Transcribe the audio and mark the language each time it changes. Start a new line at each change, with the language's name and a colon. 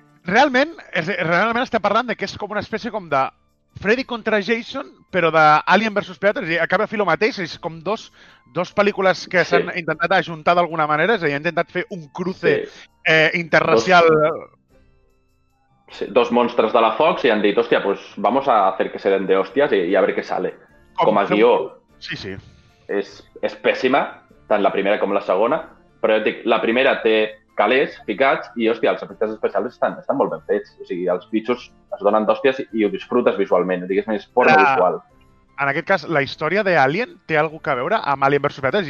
Catalan: Realment està parlant que és com una espècie com de Freddy contra Jason, però d'Alien vs. Predator, és a dir, acaba fent el mateix, és com dos pel·lícules que s'han intentat ajuntar d'alguna manera, és a dir, han intentat fer un cruce interracial. Dos monstres de la Fox i han dit, hòstia,
Spanish: pues vamos a hacer que se den de hostias y a ver qué sale.
Catalan: Com a guió. Sí. És pèssima, tant la primera com la segona, però jo et dic, la primera té calés ficats i, hòstia, els efectes especials estan molt ben fets. O sigui, els bitxos es donen d'hòsties i ho disfrutes visualment. Diguéssim, és forma visual. En aquest cas, la història d'Alien té alguna cosa a veure amb Alien vs. Predator?